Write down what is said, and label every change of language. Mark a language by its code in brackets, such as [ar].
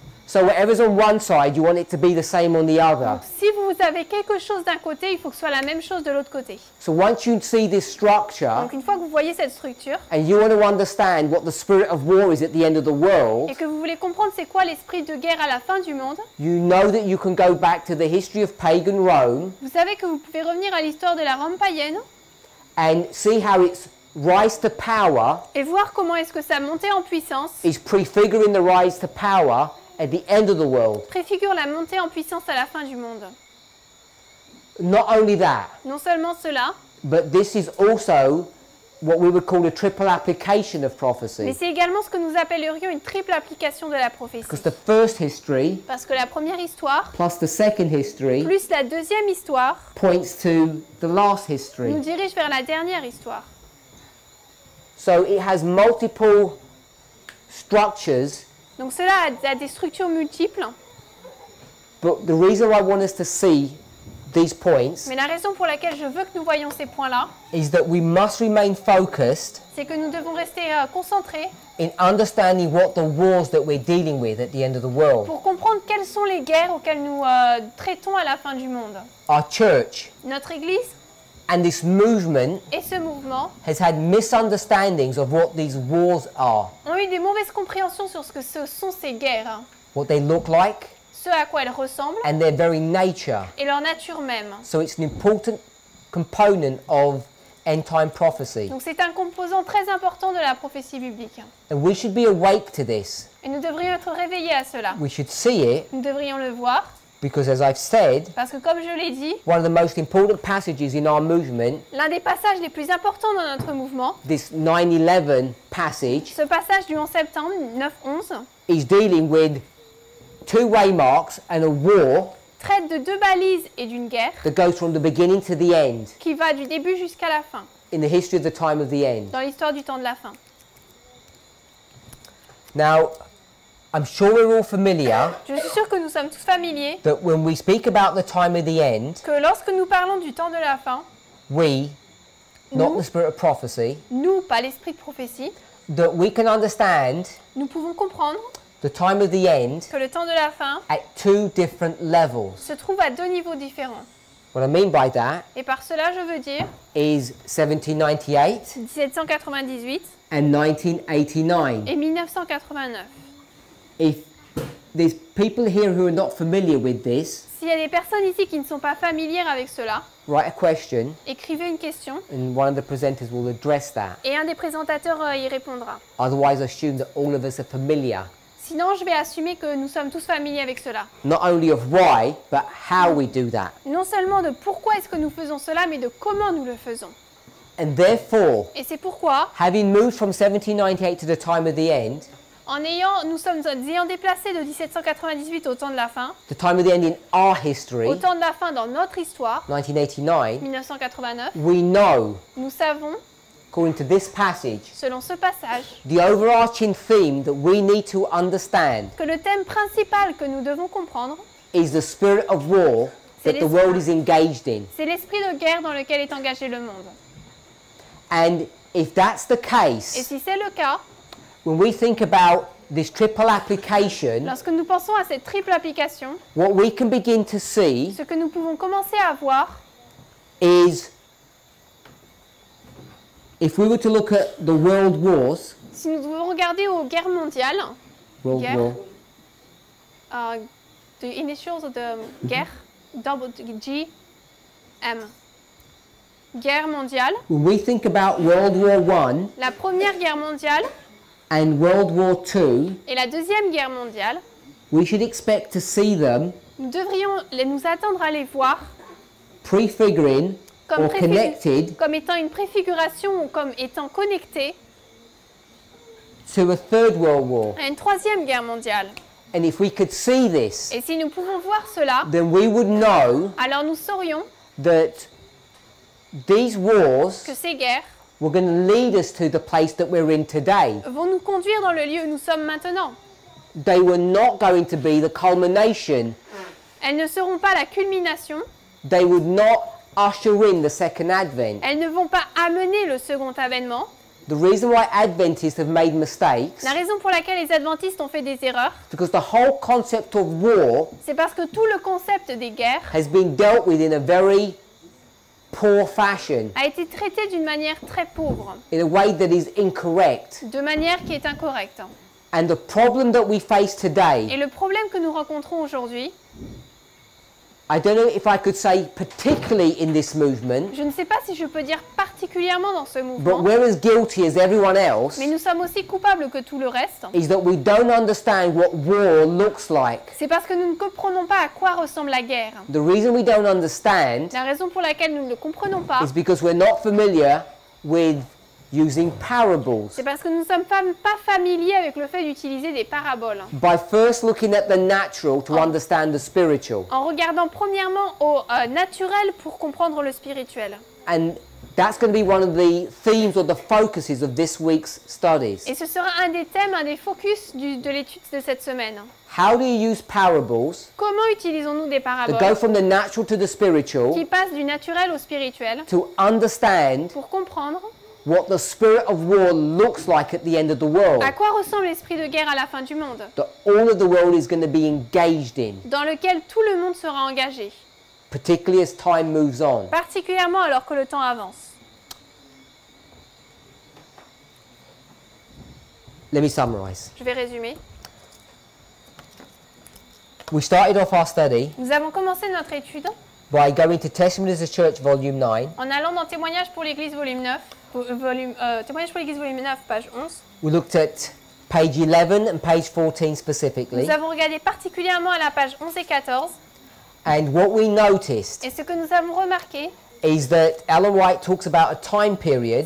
[en] So whatever's on one side, you want it to be the same on the other. [fr] Donc, si vous avez quelque chose d'un côté, il faut que ce soit la même chose de l'autre côté. [en] So once you see this structure, [fr] donc une fois que vous voyez cette structure, [en] and you want to understand what the spirit of war is at the end of the world, [fr] et que vous voulez comprendre c'est quoi l'esprit de guerre à la fin du monde, [en] you know that you can go back to the history of pagan Rome. [fr] Vous savez que vous pouvez revenir à l'histoire de la Rome païenne, [en] and see how it's rise to power. [fr] Et voir comment est-ce que ça montait en puissance. [en] Is prefiguring the rise to power. At the end of the world. [fr] Préfigure la montée en puissance à la fin du monde. [en] Not only that. [fr] Non seulement cela. [en] But this is also what we would call a triple application of prophecy. [fr] Mais c'est également ce que nous appellerions une triple application de la prophétie. [en] Because the first history. [fr] Parce que la première histoire. [en] Plus the second history. [fr] Plus la deuxième histoire. [en] Points to the last history. [fr] Nous dirige vers la dernière histoire. [en] So it has multiple structures. [fr] Donc cela a des structures multiples. [en] But the reason why I want us to see these points. [fr] Mais la raison pour laquelle je veux que nous voyons ces points-là. [en] Is that we must remain focused. [fr] C'est que nous devons rester concentrés. [en] In understanding what the wars that we're dealing with at the end of the world. [fr] Pour comprendre quelles sont les guerres auxquelles nous traitons à la fin du monde. [en] Our church. [fr] Notre église. [en] And this movement, [fr] et ce mouvement, [en] has had misunderstandings of what these wars are. [fr] Ont eu des mauvaises compréhensions sur ce que ce sont ces guerres. [en] What they look like, [fr] ce à quoi elles ressemblent, [en] and their very nature, [fr] et leur nature même. [en] So it's an important component of end time prophecy. [fr] Donc c'est un composant très important de la prophétie biblique. [en] And we should be awake to this. [fr] Et nous devrions être réveillés à cela. [en] We should see it. [fr] Nous devrions le voir. [en] Because as I've said, [fr] parce que comme je l'ai dit, [en] one of the most important passages in our movement, [fr] l'un des passages les plus importants dans notre mouvement, [en] this 9/11 passage, [fr] ce passage du 11 septembre 9/11, [en] is dealing with two waymarks and a war, [fr] traite de deux balises et d'une guerre, [en] that goes from the beginning to the end, [fr] qui va du début jusqu'à la fin, [en] in the history of the time of the end, [fr] dans l'histoire du temps de la fin. [en] Now, I'm sure we're all familiar. [fr] Je suis sûr que nous sommes tous familiers. [en] That when we speak about the time of the end. [fr] Que lorsque nous parlons du temps de la fin. [en] We. Not the spirit of prophecy. [fr] Nous, pas l'esprit de prophétie. [en] That we can understand. [fr] Nous pouvons comprendre. [en] The time of the end. [fr] Que le temps de la fin. [en] At two different levels. [fr] Se trouve à deux niveaux différents. [en] What I mean by that. [fr] Et par cela, je veux dire. [en] Is 1798. [fr] 1798. [en] And 1989. [fr] Et 1989. [en] If there's people here who are not familiar with this, [fr] s'il y a des personnes ici qui ne sont pas familières avec cela, [en] write a question, [fr] écrivez une question, [en] and one of the presenters will address that. [fr] Et un des présentateurs y répondra. [en] Otherwise, assume that all of us are familiar. [fr] Sinon, je vais assumer que nous sommes tous familiers avec cela. [en] Not only of why, but how we do that. [fr] Non seulement de pourquoi est-ce que nous faisons cela, mais de comment nous le faisons. [en] And therefore, [fr] et c'est pourquoi, [en] having moved from 1798 to the time of the end, [fr] nous sommes déplacés de 1798 au temps de la fin. [en] The time of the end in our history. [fr] Au temps de la fin dans notre histoire. [en] 1989. We know. [fr] Nous savons. [en] According to this passage. [fr] Selon ce passage. [en] The overarching theme that we need to understand. [fr] Que le thème principal que nous devons comprendre. [en] Is the spirit of war that the world is engaged in. [fr] C'est l'esprit de guerre dans lequel est engagé le monde. [en] And if that's the case. [fr] Et si c'est le cas. [en] When we think about this triple application, [fr] lorsque nous pensons à cette triple application, [en] what we can begin to see, [fr] ce que nous pouvons commencer à voir, [en] is if we were to look at the world wars, [fr] si nous devons regarder aux guerres mondiales, [en] world guerre, war, the initials of the guerre, WGM, [fr] guerre mondiale. [en] When we think about World War One, [fr] la première guerre mondiale. [en] And World War II, [fr] et la Deuxième Guerre mondiale, [en] we should expect to see them, [fr] nous devrions nous attendre à les voir [en] prefiguring [fr] comme, [en] or connected, [fr] comme étant une préfiguration ou comme étant connectée [en] to a Third World War, [fr] à une Troisième Guerre mondiale. [en] And if we could see this, [fr] et si nous pouvons voir cela, [en] then we would know, [fr] alors nous saurions [en] that these wars, [fr] que ces guerres, [en] were going to lead us to the place that we're in today. [fr] Vont nous conduire dans le lieu où nous sommes maintenant. [en] They were not going to be the culmination. [fr] Elles ne seront pas la culmination. [en] They would not usher in the second advent. [fr] Elles ne vont pas amener le second avènement. [en] The reason why Adventists have made mistakes. [fr] La raison pour laquelle les adventistes ont fait des erreurs. [en] Because the whole concept of war. [fr] C'est parce que tout le concept des guerres. [en] Has been dealt with in a very poor fashion. [fr] A été traité d'une manière très pauvre. [en] In a way that is incorrect. [fr] De manière qui est incorrecte. [en] And the problem that we face today. [fr] Et le problème que nous rencontrons aujourd'hui. [en] I don't know if I could say particularly in this movement. [fr] Je ne sais pas si je peux dire particulièrement dans ce mouvement. [en] But we're as guilty as everyone else. [fr] Mais nous sommes aussi coupables que tout le reste. [en] Is that we don't understand what war looks like. [fr] C'est parce que nous ne comprenons pas à quoi ressemble la guerre. [en] The reason we don't understand. [fr] La raison pour laquelle nous ne comprenons pas. [en] Is because we're not familiar with using parables. [fr] C'est parce que nous ne sommes pas familiers avec le fait d'utiliser des paraboles. [en] By first looking at the natural to understand the spiritual. [fr] En regardant premièrement au naturel pour comprendre le spirituel. [en] And that's going to be one of the themes or the focuses of this week's studies. [fr] Et ce sera un des thèmes, un des focus de l'étude de cette semaine. [en] How do you use parables? [fr] Comment utilisons-nous des paraboles? [en] To go from the natural to the spiritual. [fr] Qui passe du naturel au spirituel. [en] To understand. [fr] Pour comprendre. [en] What the spirit of war looks like at the end of the world. [fr] À quoi ressemble l'esprit de guerre à la fin du monde? [en] That all of the world is going to be engaged in. [fr] Dans lequel tout le monde sera engagé. [en] Particularly as time moves on. [fr] Particulièrement alors que le temps avance. [en] Let me summarize. [fr] Je vais résumer. [en] We started off our study. [fr] Nous avons commencé notre étude. [en] By going to Testimonies of the Church, volume 9. [fr] En allant dans Témoignages pour l'Église, volume 9. Témoignage pour l'Église, volume 9, page 11. [en] We looked at page 11 and page 14 specifically. [fr] Nous avons regardé particulièrement à la page 11 et 14. [en] And what we noticed. [fr] Et ce que nous avons remarqué. [en] Is that Ellen White talks about a time period.